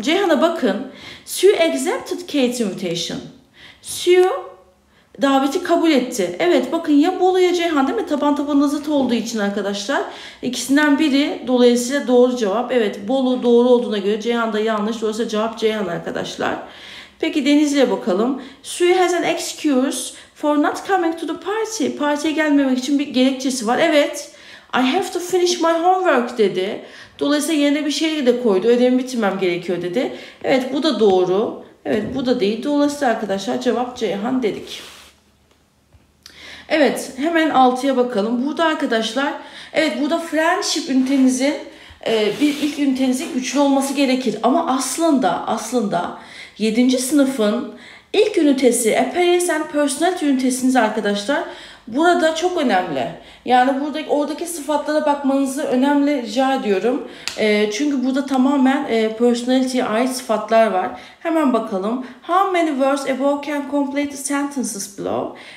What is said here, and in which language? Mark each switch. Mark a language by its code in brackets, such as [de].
[tr] Ceyhan'a bakın. [en] She accepted Kate's invitation. Sue [tr] daveti kabul etti. Evet, bakın ya Bolu ya Ceyhan, değil mi? Taban tabana zıt olduğu için arkadaşlar. İkisinden biri, dolayısıyla doğru cevap. Evet, Bolu doğru olduğuna göre Ceyhan da yanlış. Dolayısıyla cevap Ceyhan arkadaşlar. Peki Denizli'ye bakalım. [en] Sue has an excuse for not coming to the party. [tr] Partiye gelmemek için bir gerekçesi var. Evet, [en] I have to finish my homework [tr] dedi. Dolayısıyla yerine bir şey de koydu. Ödevimi bitirmem gerekiyor dedi. Evet, bu da doğru. Evet, bu da değil. Dolayısıyla arkadaşlar cevap Ceyhan dedik. Evet, hemen 6'ya bakalım. Burada arkadaşlar, evet burada friendship ünitenizin, bir ilk ünitenizin güçlü olması gerekir. Ama aslında 7. sınıfın ilk ünitesi, appearance and personality ünitesiniz arkadaşlar, burada çok önemli. Yani buradaki, oradaki sıfatlara bakmanızı önemli rica ediyorum. Çünkü burada tamamen personality'ye ait sıfatlar var. Hemen bakalım. [en] How many words above can complete the sentences below?